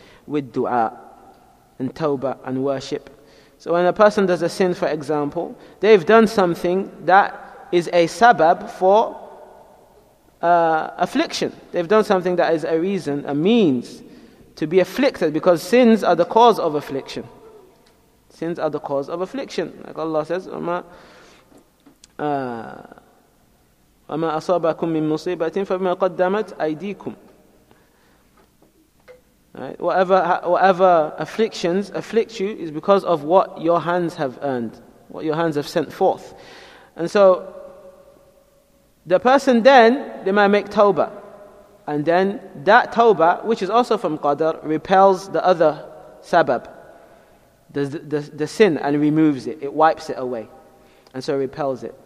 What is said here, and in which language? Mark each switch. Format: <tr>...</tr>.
<en>With dua and tawbah and worship. So when a person does a sin, for example, they've done something that is a sabab for affliction. They've done something that is a reason, a means to be afflicted, because sins are the cause of affliction. Sins are the cause of affliction. Like Allah says,</en> <ar>وَمَا أَصَابَكُم مِّن مُصِيبَةٍ فَبِمَا قَدَّمَتْ أَيْدِيكُمْ.</ar> <en>Right? Whatever afflictions afflict you is because of what your hands have earned, what your hands have sent forth. And so, the person then, they might make tawbah. And then, that tawbah, which is also from qadr, repels the other sabab, the sin, and removes it. It wipes it away. And so repels it.</en>